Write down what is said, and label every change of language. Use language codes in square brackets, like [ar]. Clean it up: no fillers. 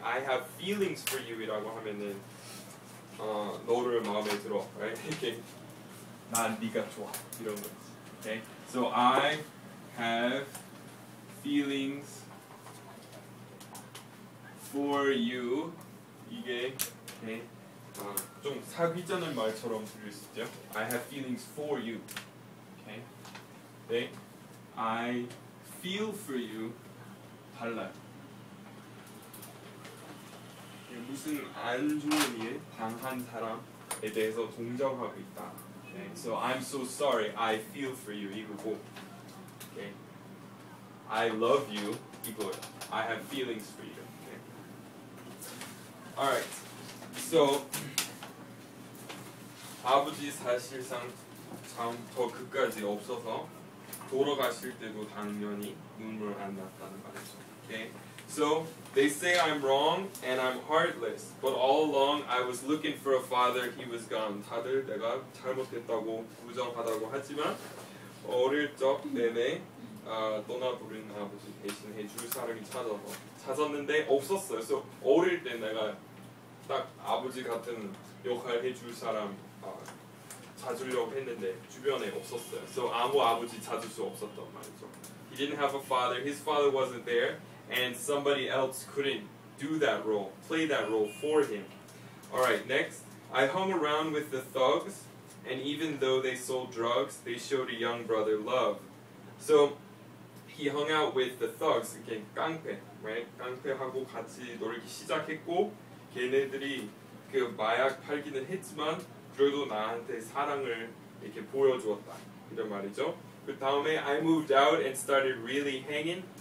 [en] I have feelings for you [ko] 이라고 하면은 너를 마음에 들어, [en] right? [ko] 난 네가 좋아 이런 거. Okay? [en] So I have feelings for you [ko] 이게 [en] okay? [ko] 좀 사귀자는 말처럼 들릴 수 있죠. [en] I have feelings for you. Okay? Okay? I feel for you [ko] 달라요. 무슨 안 좋은 일 당한 사람에 대해서 동정하고 있다. [en] Okay. So I'm so sorry. I feel for you [ko] 이거고. [en] Okay. I love you [ko] 이거. [en] I have feelings for you. Okay. Alright. [ko] So 아버지 사실상 처음부터 끝까지 없어서 돌아가실 때도 당연히 눈물 안 났다는 말이죠. [en] Okay? So, they say I'm wrong and I'm heartless, but all along I was looking for a father, he was gone. [ko] 다들 내가 잘못했다고 부정하다고 하지만 어릴 적 내내 떠나버린 아버지 대신해 줄 사람이 찾아서 찾았는데 없었어요. So, 어릴 때 내가 딱 아버지 같은 역할 해줄 사람 찾으려고 했는데 주변에 없었어요. So 아무 아버지 찾을 수 없었던 말이죠. [en] He didn't have a father. His father wasn't there. And somebody else couldn't do that role, play that role for him. Alright, next. I hung around with the thugs, and even though they sold drugs, they showed a young brother love. So he hung out with the thugs. [ko] 이렇게 깡패, [en] right? [ko] 깡패하고 같이 놀기 시작했고 걔네들이 그 마약 팔기는 했지만 그래도 나한테 사랑을 이렇게 보여주었다 이런 말이죠. 그 다음에 [en] I moved out and started really hanging.